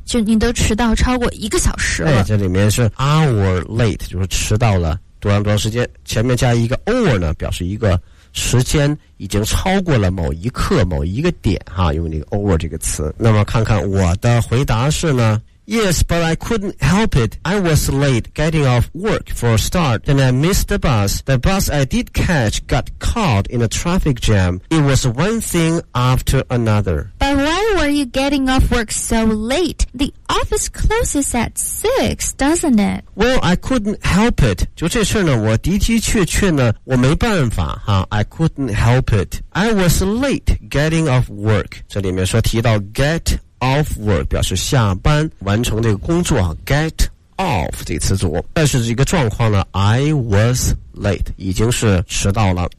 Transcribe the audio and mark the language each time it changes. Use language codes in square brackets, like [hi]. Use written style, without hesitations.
[zh] 就你都迟到超过一个小时了。哎，这里面是 hour late， 就是迟到了多长多长时间，前面加一个 over 呢，表示一个时间已经超过了某一刻某一个点哈，用那个 over 这个词。那么看看我的回答是呢？ [en] Yes, but I couldn't help it. I was late getting off work for a start, and I missed the bus. The bus I did catch got caught in a traffic jam. It was one thing after another. But why were you getting off work so late? The office closes at 6, doesn't it? Well, I couldn't help it. [zh] 就这事呢，我的的确确呢，我没办法哈。 [en] I couldn't help it. I was late getting off work. [zh] 这里面说提到 get off. Off work 表示下班完成这个工作 get off 这个词组，但是这个状况呢 [en] I was late [zh] 已经是迟到了，